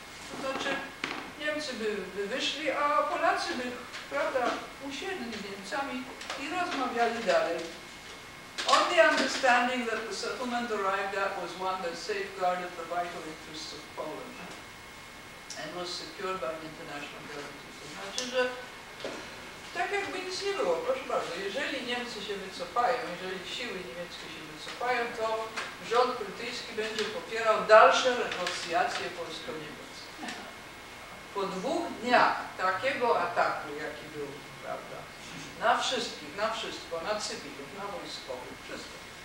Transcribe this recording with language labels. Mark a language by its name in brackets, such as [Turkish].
[Polish] To znaczy, Niemcy by wyszli, a Polacy by, prawda, usiedli z Niemcami i rozmawiali dalej. [English] On the understanding that the settlement arrived at was one that safeguarded the vital interests of Poland and was secured by international guarantees. [Polish] To znaczy, że tak jakby nic nie było, proszę bardzo, jeżeli Niemcy się wycofają, jeżeli siły niemieckie się wycofają, to rząd brytyjski będzie popierał dalsze negocjacje polsko-niemieckie. Po dwóch dniach takiego ataku, jaki był, prawda, na wszystkich, na wszystko, na cywilów, na wojskowych, wszystko.